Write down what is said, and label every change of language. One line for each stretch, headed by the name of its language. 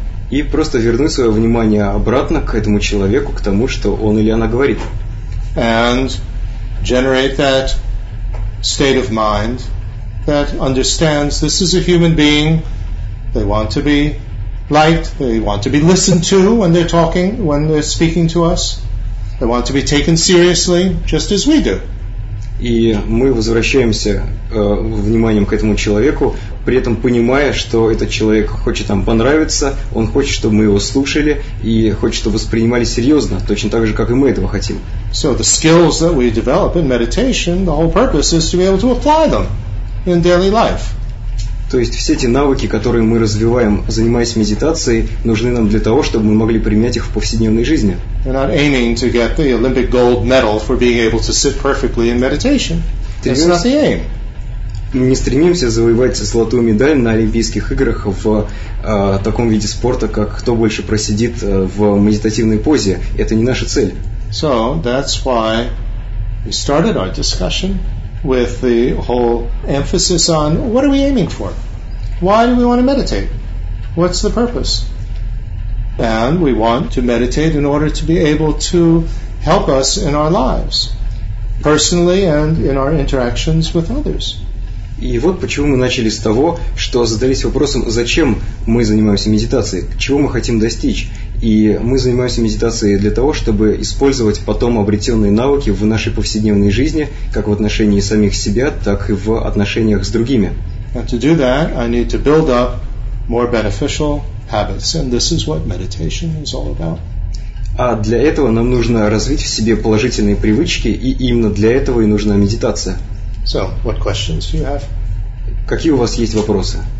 Russian: И просто вернуть свое внимание обратно к этому человеку, к тому, что он или она говорит.
English: And generate that state of mind that understands this is a human being. They want to be liked, they want to be listened to when they're talking, when they're speaking to us. They want to be taken seriously, just as we do.
Russian: И мы возвращаемся вниманием к этому человеку, при этом понимая, что этот человек хочет нам понравиться, он хочет, чтобы мы его слушали и хочет, чтобы воспринимали серьезно, точно так же, как и мы этого хотим.
English: So the skills that we develop in meditation, the whole purpose is to be able to apply them in daily life.
Russian: То есть все эти навыки, которые мы развиваем, занимаясь медитацией, нужны нам для того, чтобы мы могли применять их в повседневной жизни.
English: We're not aiming to get the Olympic gold medal for being able to sit perfectly in meditation. That's not the aim.
Russian: Мы не стремимся завоевать золотую медаль на Олимпийских играх в таком виде спорта, как кто больше просидит в медитативной позе. Это не наша цель.
English: So that's why we started our discussion with the whole emphasis on what are we aiming for? Why do we want to meditate? What's the purpose? And we want to meditate in order to be able to help us in our lives, personally and in our interactions with others.
Russian: И вот почему мы начали с того, что задались вопросом, зачем мы занимаемся медитацией, чего мы хотим достичь. И мы занимаемся медитацией для того, чтобы использовать потом обретенные навыки в нашей повседневной жизни, как в отношении самих себя, так и в отношениях с другими.
English: And to do that, I need to build up more beneficial habits, and this is what meditation is all about.
Russian: А для этого нам нужно развить в себе положительные привычки, и именно для этого и нужна медитация.
English: So, what questions do you have?
Russian: Какие у вас есть вопросы?